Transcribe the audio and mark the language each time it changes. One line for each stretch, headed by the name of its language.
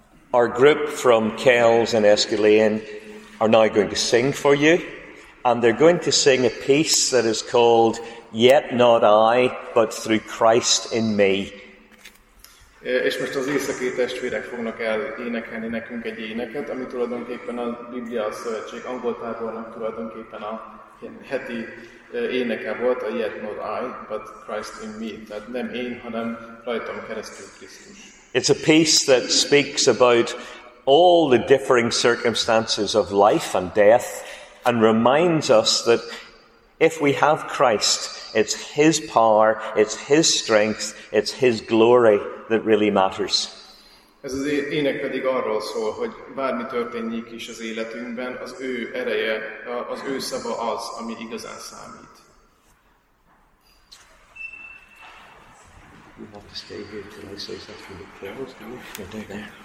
English: Our group from Kells and Esculane are now going to sing for you, and they're going to sing a piece that is called Yet Not I, But Through Christ in Me.
Hungarian: És most az északi testvérek fognak elénekelni nekünk egy éneket, ami tulajdonképpen a Biblia Szövetség angoltábornak tulajdonképpen a heti éneke volt, a Yet Not I, But Christ in Me. Tehát nem én, hanem rajtam keresztül Krisztus.
English: It's a piece that speaks about all the differing circumstances of life and death and reminds us that if we have Christ, it's His power, it's His strength, it's His glory that really matters.
Hungarian: Ez az ének pedig arról szól, hogy bármi történjék is az életünkben, az ő ereje, az ő szava az, ami igazán számít.
English: You have to stay here till I say something. Okay.